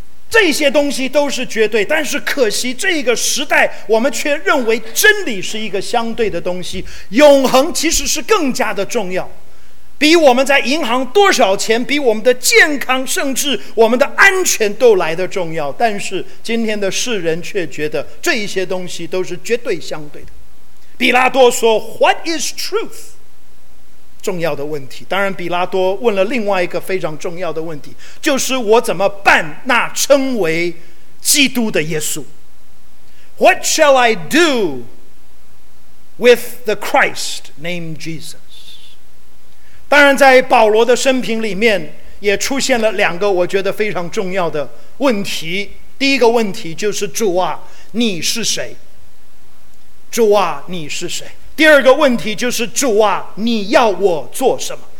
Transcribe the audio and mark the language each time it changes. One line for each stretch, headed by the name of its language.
Chinese: 这些东西都是绝对，但是可惜这个时代我们却认为真理是一个相对的东西，永恒其实是更加的重要，比我们在银行多少钱，比我们的健康甚至我们的安全都来得重要。但是今天的世人却觉得这一些东西都是绝对相对的。
English: 比拉多说 What is truth?
Chinese: 重要的问题。当然比拉多问了另外一个非常重要的问题，就是我怎么办那称为基督的耶稣？
English: What shall I do with the Christ named Jesus?
Chinese: 当然在保罗的生平里面也出现了两个我觉得非常重要的问题。第一个问题就是，主啊，你是谁？主啊，你是谁？第二个问题就是，主啊，你要我做什么？